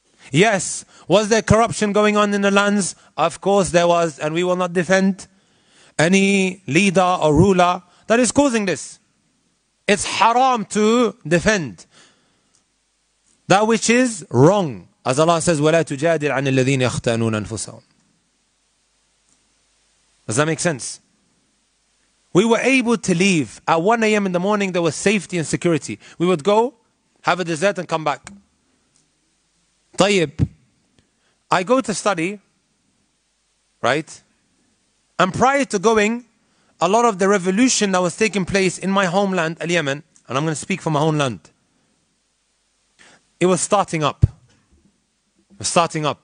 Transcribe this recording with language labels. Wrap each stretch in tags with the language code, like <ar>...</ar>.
<en>Yes, was there corruption going on in the lands? Of course there was, and we will not defend any leader or ruler that is causing this. It's haram to defend that which is wrong. As Allah says,</en> <ar>وَلَا تُجَادِلْ عَنِ الَّذِينَ يَخْتَأْنُونَ أَنفُسَهُمْ.</ar> <en>Does that make sense? We were able to leave at 1 a.m. in the morning. There was safety and security. We would go, have a dessert and come back. Tayyib, I go to study, right? And prior to going, a lot of the revolution that was taking place in my homeland, Yemen, and I'm going to speak for my homeland, it was starting up. It was starting up.</en>